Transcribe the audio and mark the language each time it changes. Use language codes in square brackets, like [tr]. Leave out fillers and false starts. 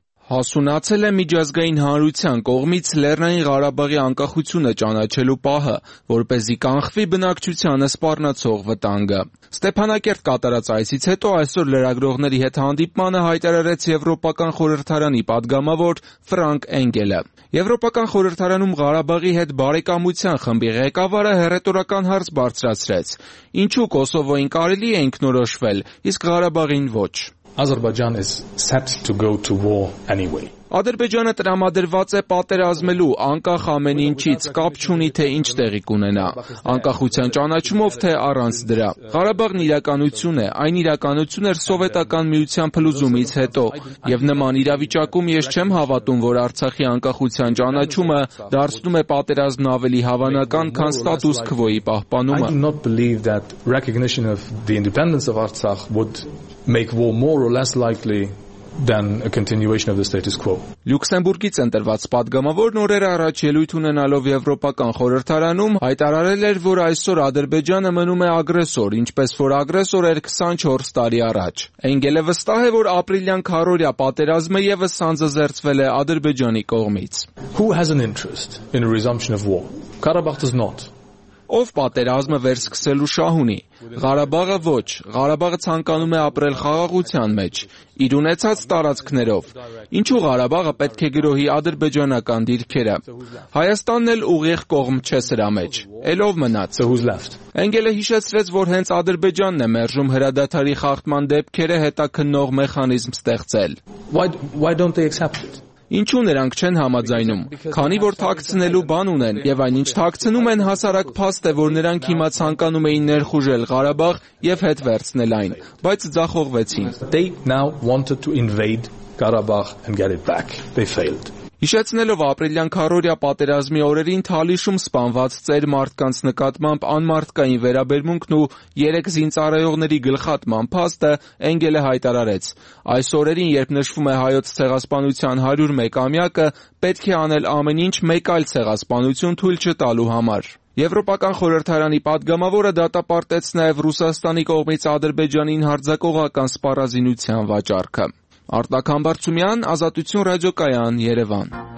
[hy] Հասունացել է միջազգային հանրության կողմից Լեռնային Ղարաբաղի անկախությունը ճանաչելու պահը, որպեսզի կանխվի բնակչությանը սպառնացող վտանգը։ Ստեփանակերտ կատարած այսից հետո այսօր լրագրողների հետ հանդիպմանը հայտարարեց Եվրոպական խորհրդարանի պատգամավոր Ֆրանկ Էնգելը։ Եվրոպական խորհրդարանում Ղարաբաղի հետ բարեկամության խմբի ղեկավարը հերետորական հարց բարձրացրեց. Ինչու Կոսովոյին կարելի է ինքնորոշվել, իսկ Ղարաբաղին ոչ։ [en] Azerbaijan is set to go to war anyway. [hy] Ադրբեջանը տրամադրված է պատերազմելու անկախ ամեն ինչից, կապ չունի թե ինչ տեղի կունենա, անկախության ճանաչումով թե առանց դրա։ Ղարաբաղն իրականություն է, այն իրականություն էր սովետական միության փլուզումից հետո, եւ նման իրավիճակում ես չեմ հավատում, որ Արցախի անկախության ճանաչումը դարձնում է պատերազմն ավելի հավանական, քան ստատուս քվոյի պահպանումը։ [en] I do not believe that recognition of the independence of Artsakh would make war more or less likely than a continuation of the status quo. [hy] Լյուքսեմբուրգից ընտրված պատգամավորն օրեր առաջ ելույթ ունենալով Եվրոպական խորհրդարանում հայտարարել էր, որ այսօր Ադրբեջանը մնում է ագրեսոր, ինչպես որ ագրեսոր էր 24 տարի առաջ։ Էնգելը վստահ է, որ ապրիլյան քարորյա պատերազմը եւս սանձազերծվել է Ադրբեջանի կողմից։ [en] Who has an interest in a resumption of war? Karabakh does not. [hy] Ով պատերազմը վերսկսելու շահ ունի։ Ղարաբաղը ոչ, Ղարաբաղը ցանկանում է ապրել խաղաղության մեջ, իր ունեցած տարածքներով։ Ինչու Ղարաբաղը պետք է գրոհի ադրբեջանական դիրքերը։ Հայաստանն էլ ուղիղ կողմ չէ սրա մեջ, ելով մնաց։ Էնգելը հիշեցրեց, որ հենց Ադրբեջանն է մերժում հրադադարի խախտման դեպքերը հետաքննող մեխանիզմ ստեղծել։ [en] Why don't they accept it? [hy] Ինչու նրանք չեն համաձայնում, քանի որ թաքցնելու բան ունեն, եւ այնինչ թաքցնում են հասարակ փաստ է, որ նրանք հիմա ցանկանում էին ներխուժել Ղարաբաղ եւ հետ վերցնել այն, բայց ձախողվեցին։ [en] They now wanted to invade Karabakh and get it back. They failed. [hy] Իշացնելով ապրիլյան քարորիա պատերազմի օրերին Թալիշում սպանված ծեր մարդկանց նկատմամբ անմարդկային վերաբերմունքն ու երեք զինծառայողների գլխատման փաստը Էնգելը հայտարարեց։ Այս օրերին, երբ նշվում է հայոց ցեղասպանության 101-ամյակը, պետք է անել ամեն ինչ մեկ այլ ցեղասպանություն թույլ չտալու համար։ Եվրոպական խորհրդարանի պատգամավորը դատապարտեց նաև Ռուսաստանի կողմից Ադրբեջանին հարձակողական սպառազինության վաճառքը։ Արտակ Համբարձումյան, Ազատություն ռադիոկայան, Երևան։